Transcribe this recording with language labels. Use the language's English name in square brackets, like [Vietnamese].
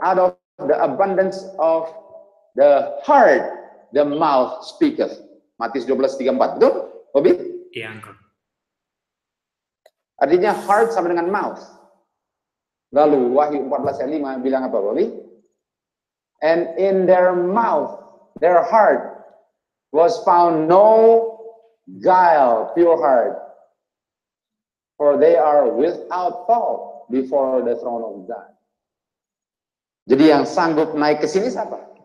[English] Out of the abundance of the heart, the mouth speaketh. [Indonesian] Matius 12:34, betul? Bobby? Iya, Uncle. Artinya heart sama dengan mouth. Lalu Wahyu 14:5 bilang apa, Bobby? [English] And in their mouth, their heart, was found no guile, pure heart, for they are without fault before the throne of God. [Indonesian] Jadi yang sanggup naik ke sini siapa?